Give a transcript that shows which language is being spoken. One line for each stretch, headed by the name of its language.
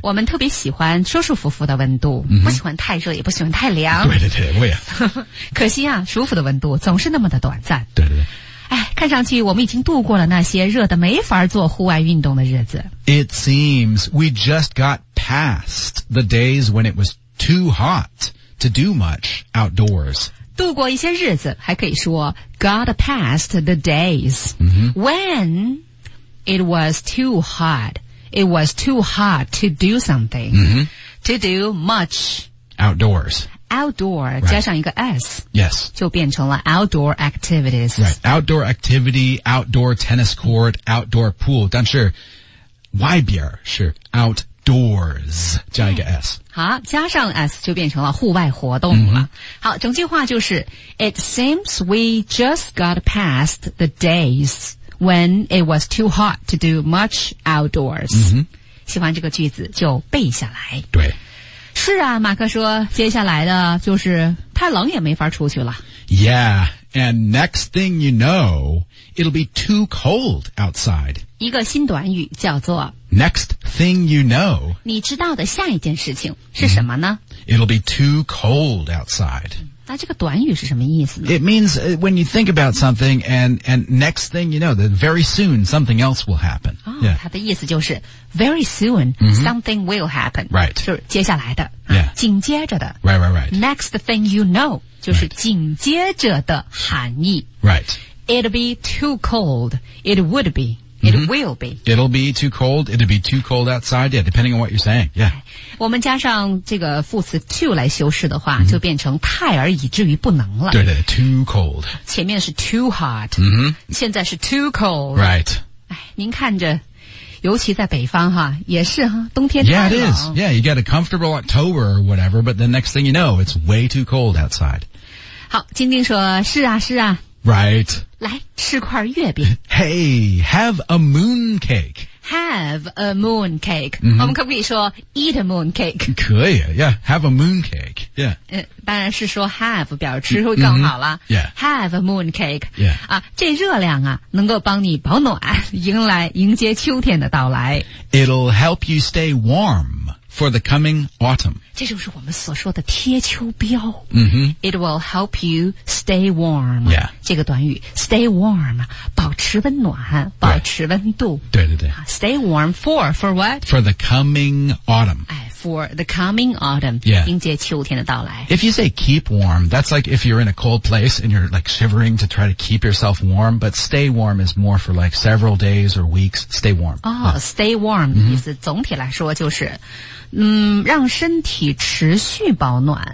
Chinese: 我们特别喜欢舒舒服服的温度、不喜欢太热也不喜欢太凉。对对对，我也。可惜啊，舒服的温度总是那么的短暂。对对对。看上去我们已经度过了那些热得没法做户外运动的日子。
English: It seems we just got past the days when it was too hot to do much outdoors.
Chinese: 度过一些日子，还可以说
English: got past the days、when it was too hot. It was too hot to do something.、to do much outdoors. Outdoor、right. 加上一个 S, yes,
Chinese: 就变成了
English: outdoor activities. Right, outdoor activity, outdoor tennis court, outdoor pool.
Chinese: 但是外边是 outdoors 加一个 S. 好，加上 S 就变成了户外活动了。
English: 好，整句话就是 It seems we just got past the days when it was too hot to do much outdoors.、
Chinese: 喜欢这个句子就背下来。对。是啊，马克说接下来的就是太冷也没法出去了。
English: Yeah, and next thing you know, it'll be too cold outside.
Chinese: 一个新短语叫做
English: Next thing you know.
Chinese: 你知道的下一件事情是什么呢、
English: It'll be too cold outside.
Chinese: 那这个短语是什么意思呢
English: It means when you think about something and next thing you know, that very soon something else will happen.
Chinese: 哦、它的意思就是
English: Very soon, something will happen. Right.
Chinese: 就是接下来的、
English: yeah.
Chinese: 紧接着的
English: Right, right, right. Next thing you know,
Chinese: 就是紧接着的含义
English: Right. It'll be too cold. It would be. It will be. It'll be too cold. It'll be too cold outside. Yeah, depending on what you're saying. Yeah.
Chinese: 我们加上这个副词 too 来修饰的话、就变成太而以至于不能了。
English: 对对 too cold.
Chinese: 前面是
English: too hot.
Chinese: 现在是
English: too cold. Right.
Chinese: 您看着尤其在北方哈，也是哈，冬天太冷。
English: Yeah, it is. Yeah, you get a comfortable October or whatever, but the next thing you know, it's way too cold outside.
Chinese: 好，晶晶说，是啊，是啊。
English: Right.
Chinese: 来，吃块月饼。
English: Hey, have a moon cake. Have a moon cake.、
Chinese: 我们可不可以说
English: eat a moon cake? 可以 ,yeah, have a moon cake, yeah.、
Chinese: 当然是说 have 表示会更好了、
English: yeah. Have a moon cake. Yeah.
Chinese: 啊，这热量啊，能够帮你保暖，迎接秋天的到来。
English: It'll help you stay warm for the coming autumn.
Chinese: 这就是我们所说的贴秋膘。
English: It will help you stay warm. Yeah.
Chinese: 这个短语
English: stay warm,
Chinese: 保持温暖保持温度。
English: Right.
Chinese: 对对对。
English: Stay warm for what? For the coming autumn. For the coming autumn. Yeah.
Chinese: 迎接秋天的到来。
English: If you say keep warm, that's like if you're in a cold place and you're like shivering to try to keep yourself warm, but stay warm is more for like several days or weeks. Stay warm. Oh, stay warm.
Chinese: 意思总体来说就是让身体持续保暖。